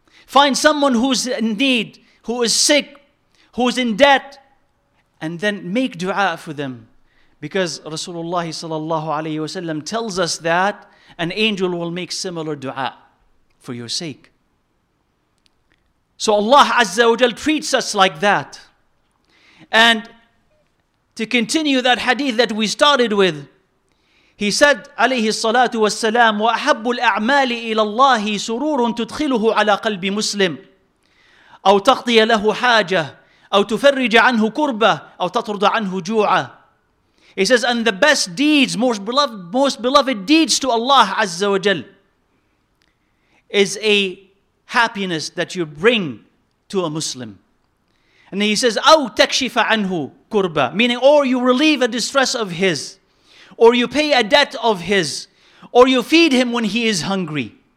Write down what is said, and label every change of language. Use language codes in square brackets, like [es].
[en] Find someone who's in need, who is sick, who's in debt, and then make dua for them. Because Rasulullah sallallahu alayhi wa sallam tells us that an angel will make similar dua for your sake. So Allah Azza wa Jal treats us like that. And to continue that hadith that we started with, he said, [ar] عليه الصلاة والسلام, وأحب الأعمال إلى الله سرور تدخله على قلب مسلم أو تقضي له حاجة أو تفرج عنه كربة أو تطرد عنه جوعة. [en] He says, and the best deeds, most beloved deeds to Allah Azza wa Jal is a happiness that you bring to a Muslim. And he says, [ar] أو تكشف عنه كربة, [en] meaning, or you relieve a distress of his, or you pay a debt of his, or you feed him when he is hungry.